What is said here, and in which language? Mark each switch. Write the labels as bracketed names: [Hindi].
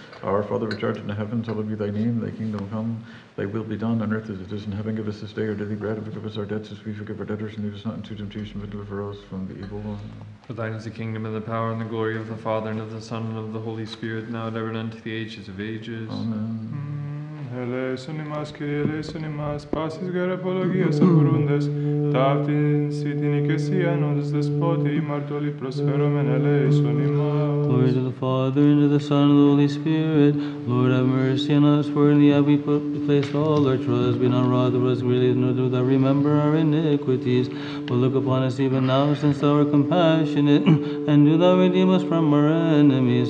[English] Our Father, which art in the heavens, hallowed be thy name. Thy kingdom come, thy will be done on earth as it is in heaven. Give us this day our daily bread, and forgive us our debts as we forgive our debtors. And lead us not into temptation, but deliver us from the evil one. For thine is the kingdom, and the power, and the glory of the Father, and of the Son, and of the Holy Spirit, now and ever, and unto the ages of ages. Amen. [Greek] Ελέησον ημάς, Κύριε, ελέησον ημάς, πάσης γαραπολογίας απορούντες, ταύτην σοι την οικεσίαν όντες δεσπότη, ημαρτωλοί προσφέρομεν, ελέησον ημάς. [English] Glory to the Father, and to the Son, and to the Holy Spirit. Lord, have mercy on us, for in thee have we placed all our trust. Be not wroth with us greatly, nor do thou remember our iniquities. But look upon us even now, since thou art compassionate, and do thou redeem us from our enemies.